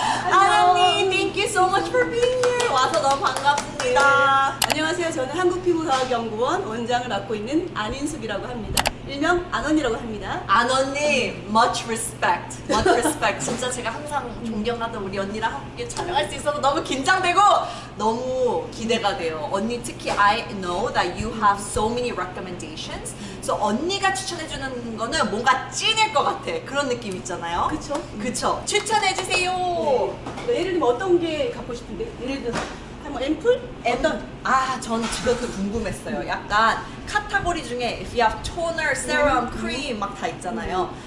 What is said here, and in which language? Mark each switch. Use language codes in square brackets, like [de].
[en] Anani, thank you so much for being here. [ko] 와서 너무 반갑습니다. 안녕하세요. 저는 한국피부과학연구원 원장을 맡고 있는 안인숙이라고 합니다. 일명 안언니라고 합니다. [en] 안언니, much respect. Much respect. [ko] 진짜 제가 항상 존경하던 우리 언니랑 함께 촬영할 수 있어서 너무 긴장되고 너무 기대가 돼요. [en] 언니, [ko] 특히 [en] I know that you have so many recommendations. [ko] So 언니가 추천해주는 거는 뭔가 찐일 것 같아. 그런 느낌 있잖아요. 그쵸? 그쵸. 추천해주세요. 네. 예를 들면 어떤 게 갖고 싶은데? 예를 들어서. 앰플? 어떤? 아, 전 그것도 궁금했어요. 약간 카테고리 중에 [en] if you have toner, serum, cream [ko] 막 다 있잖아요.